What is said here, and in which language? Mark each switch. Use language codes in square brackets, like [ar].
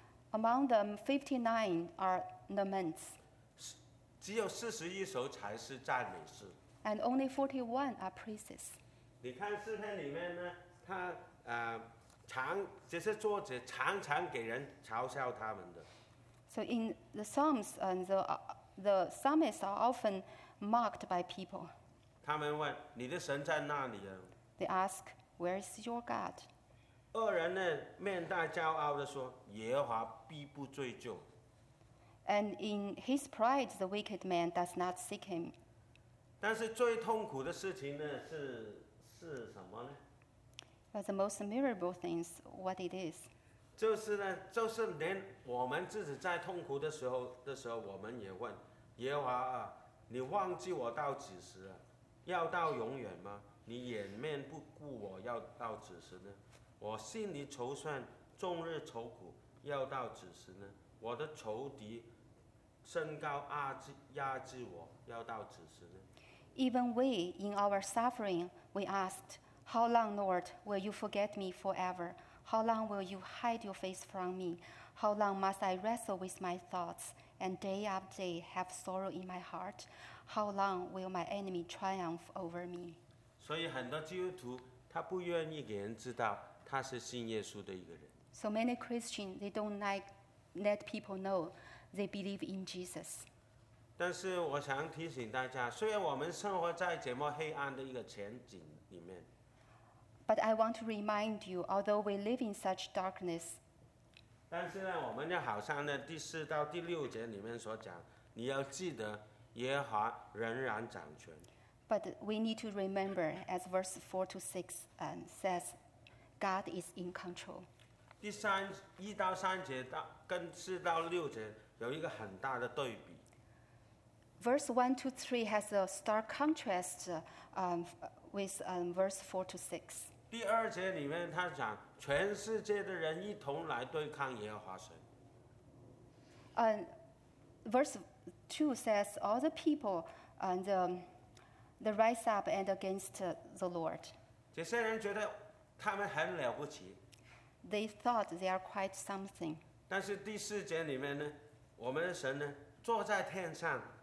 [en] Among them, 59 are laments. [zh] 只有41首才是赞美诗。 [en] And only 41 are praises. [zh] 你看诗篇里面呢，他常这些作者常常给人嘲笑他们的。 [en] So in the Psalms, the psalmists are often mocked by people. [zh] 他们问你的神在哪里啊 [en] ？They ask. Where is your God? [zh] 恶人呢，面带骄傲地说，耶和华必不追究。 [en] And in his pride, the wicked man does not seek him. [zh] 但是最痛苦的事情呢，是什么呢？ [en] But the most miserable thing is what it is. [zh] 就是呢，就是连我们自己在痛苦的时候，我们也问，耶和华啊，你忘记我到几时啊？要到永远吗？你掩面不顾我要到几时呢？我心里筹算终日愁苦要到几时呢？我的仇敌身高压制我要到几时呢？ [en] Even we in our suffering we asked, How long Lord will you forget me forever? How long will you hide your face from me? How long must I wrestle with my thoughts and day after day have sorrow in my heart? How long will my enemy triumph over me? [zh] 所以很多基督徒他不愿意给人知道他是信耶稣的一个人。 [en] So many Christians they don't like let people know they believe in Jesus. [zh] 但是我想提醒大家，虽然我们生活在这么黑暗的一个前景里面， [en] But I want to remind you, although we live in such darkness, [zh] 但是呢，我们要好像呢第四到第六节里面所讲，你要记得耶和华仍然掌权。 [en] But we need to remember, as verse 4-6 says, God is in control. [zh] 第三一到三节到跟四到六节有一个很大的对比。 [en] Verse 1-3 has a stark contrast with verse 4 to 6. [zh] 第二节里面他讲全世界的人一同来对抗耶和华神。 [en] Verse 2 says all the people and the rise up and against the Lord. [zh] 这些人觉得他们很了不起。 [en] They thought they are quite something. [zh] 但是第四节里面呢，我们的神呢坐在天上。